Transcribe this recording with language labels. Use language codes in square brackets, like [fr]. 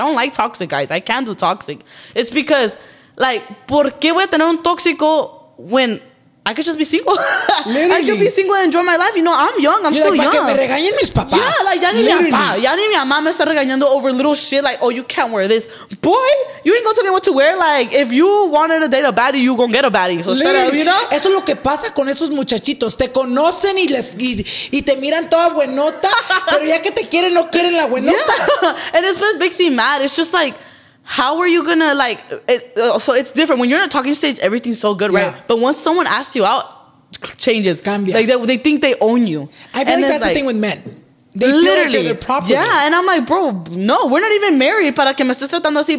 [en] I don't like toxic guys. I can't do toxic. It's because, like, [es] ¿por qué voy a tener un tóxico [en] when I could just be single? Literally. I could be single and enjoy my life. You know, I'm young. I'm still young. [es] Que me regañen mis papás. Yeah, like, ya ni mi mamá me está regañando [en] over little shit. Like, oh, you can't wear this. Boy, you ain't going to tell me what to wear. Like, if you wanted to date a baddie, you going to get a baddie. So literally, shut up, you know? [es] Eso es lo que pasa con esos muchachitos. Te conocen y te miran toda buenota. Pero ya que te quieren, no quieren la buenota. [en] Yeah. And it's what makes me mad. It's just like, how are you gonna like it, so it's different when you're in a talking stage, everything's so good, right? But once someone asks you out, changes. [es] Cambia. [en] Like they think they own you. I feel and like that's like, the thing with men, they literally feel like they're property. Yeah, and I'm like, bro, no, we're not even married [es] para que me estés tratando así.